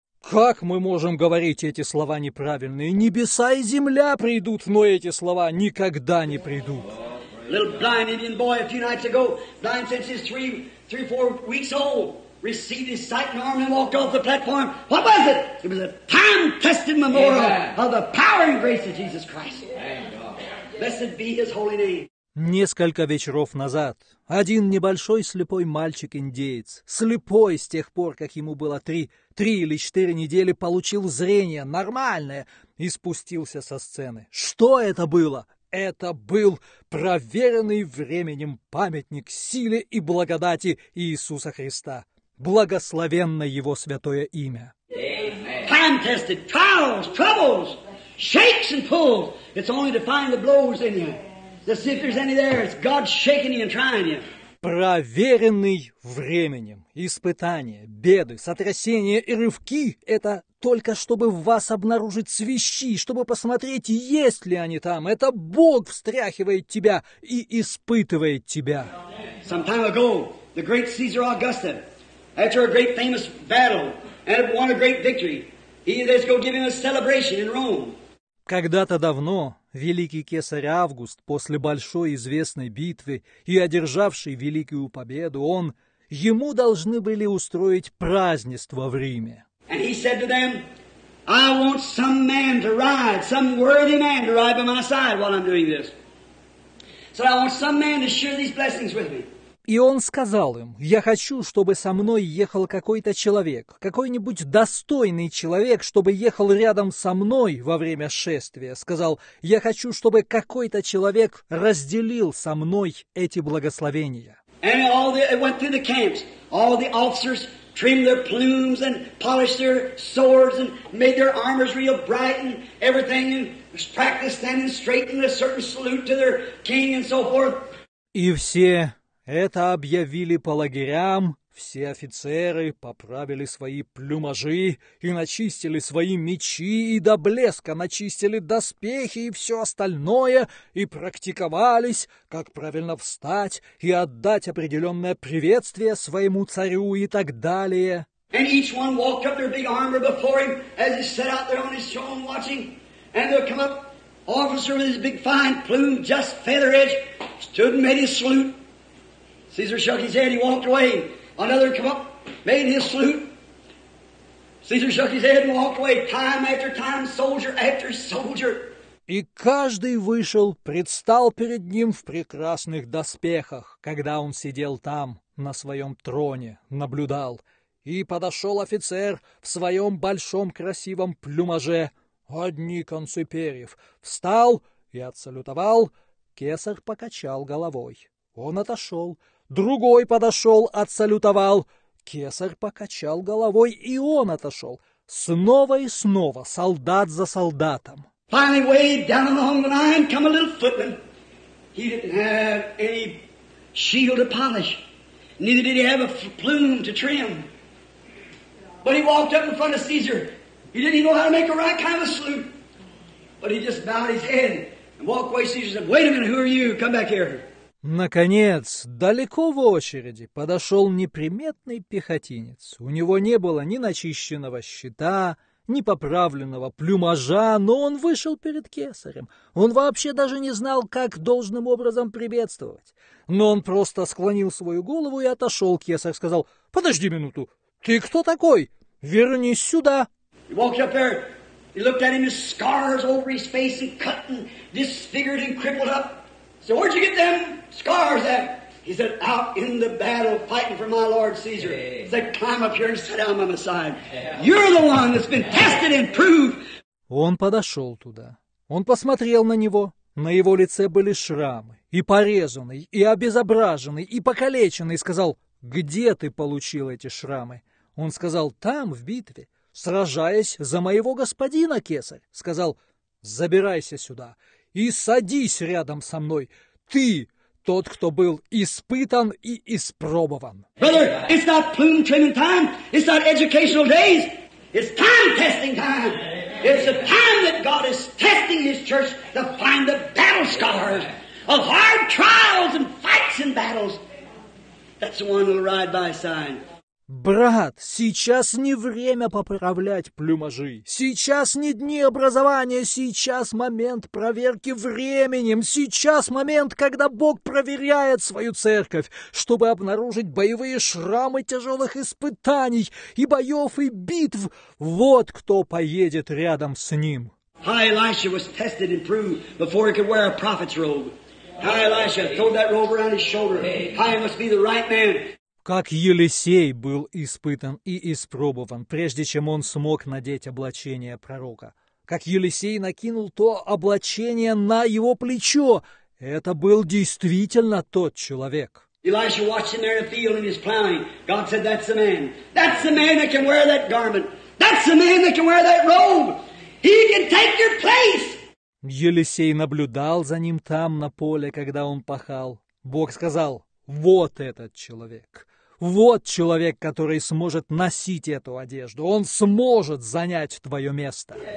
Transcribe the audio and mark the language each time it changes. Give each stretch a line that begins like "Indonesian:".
Russian: Как мы можем говорить эти слова неправильные? Небеса и земля придут, но эти слова никогда не придут.
English: Little blind Indian boy a few nights ago, blind since he's three, four weeks old, received his sight and arm and walked off the platform. What was it? It was a time-tested memorial of the power and grace of Jesus Christ. Blessed be his holy name.
Russian: Несколько вечеров назад один небольшой слепой мальчик-индеец, слепой с тех пор, как ему было три или четыре недели, получил зрение нормальное и спустился со сцены. Что это было? Это был проверенный временем памятник силе и благодати Иисуса Христа. Благословенно его святое имя.
English: Time tested, trials, troubles, shakes and pulls. It's only to find the blows in you. To see if there's any there. It's God shaking you and trying you.
Russian: Проверенный временем. Испытания, беды, сотрясения и рывки – это только чтобы в вас обнаружить свищи, чтобы посмотреть, есть ли они там. Это Бог встряхивает тебя и испытывает тебя.
English: Some time ago, the great Caesar Augustus, after a great famous battle, and won a great victory, he was going to give him a celebration in Rome.
Russian: Когда-то давно великий кесарь Август, после большой известной битвы и одержавший великую победу, он, ему должны были устроить празднество в Риме.
English: And he said to them, I want some man to ride, some worthy man to ride by my side while I'm doing this. So I want some man to share these blessings with me.
Russian: И он сказал им, я хочу, чтобы со мной ехал какой-то человек, какой-нибудь достойный человек, чтобы ехал рядом со мной во время шествия. Сказал, я хочу, чтобы какой-то человек разделил со мной эти благословения.
English: And all the, it went through the camps. All the officers trimmed their plumes and polished their swords and made their armors real bright and everything and practiced standing straight and a certain salute to their king and so forth.
Russian: И все это объявили по лагерям. Все офицеры поправили свои плюмажи и начистили свои мечи и до блеска начистили доспехи и все остальное и практиковались, как правильно встать и отдать определенное приветствие своему царю и так далее.
English: And each one walked up their big armor before him as he sat out there on his throne watching. And there come up officer with his big fine plume, just feather edge, stood and made his salute. Caesar shook his head, he walked away. Another come up, made his salute. Caesar shook his head and walked away, time after time, soldier after soldier.
Russian: И каждый вышел, предстал перед ним в прекрасных доспехах, когда он сидел там, на своем троне, наблюдал. И подошел офицер в своем большом красивом плюмаже, одни концы перьев, встал и отсалютовал. Кесарь покачал головой. Он отошел. Другой подошел, отсалютовал. Кесарь покачал головой, и он отошел. Снова и снова, солдат за солдатом.
English: Finally, way down along the line, come a little footman. He didn't have any shield to polish. Neither did he have a plume to trim. But he walked up in front of Caesar. He didn't even know how to make a right kind of salute. But he just bowed his head and walked away. Caesar said, wait a minute, who are you? Come back here.
Russian: Наконец, далеко в очереди, подошел неприметный пехотинец. У него не было ни начищенного щита, ни поправленного плюмажа, но он вышел перед кесарем. Он вообще даже не знал, как должным образом приветствовать. Но он просто склонил свою голову и отошел. Кесарь сказал, подожди минуту, ты кто такой? Вернись сюда.
English: He walked up there, he looked at him, his scars over his face and cut and disfigured and crippled up. So where'd you get them scars at? He said, out in the battle fighting for my Lord Caesar. He said, climb up here and sit down by my side. You're the one that's been tested and proved.
Russian: Он подошел туда. Он посмотрел на него. На его лице были шрамы. И порезанный, и обезображенный, и покалеченный. Сказал, где ты получил эти шрамы? Он сказал, там, в битве, сражаясь за моего господина, кесарь. Сказал, забирайся сюда. И садись рядом со мной. Ты тот, кто был испытан и испробован.
English: Brother, it's not plume trimming time. It's not educational days. It's time testing time. It's the time that God is testing His church to find the battle scars of hard trials and fights and battles. That's the one who'll ride by side.
Russian: Брат, сейчас не время поправлять плюмажи. Сейчас не дни образования, сейчас момент проверки временем. Сейчас момент, когда Бог проверяет свою церковь, чтобы обнаружить боевые шрамы тяжелых испытаний и боев, и битв. Вот кто поедет рядом с ним.
English: How Elisha was tested and proved before he could wear a prophet's robe. How Elisha throwed that robe around his shoulder. How he must be the right man.
Russian: Как Елисей был испытан и испробован, прежде чем он смог надеть облачение пророка. Как Елисей накинул то облачение на его плечо. Это был действительно тот человек.
English: Elisha watched him there in the field and he's plowing. God said, that's the man. That's the man that can wear that garment. That's the man that can wear that robe. He can take your place.
Russian: Елисей наблюдал за ним там, на поле, когда он пахал. Бог сказал, вот этот человек. Вот человек, который сможет носить эту одежду. Он сможет занять твое место.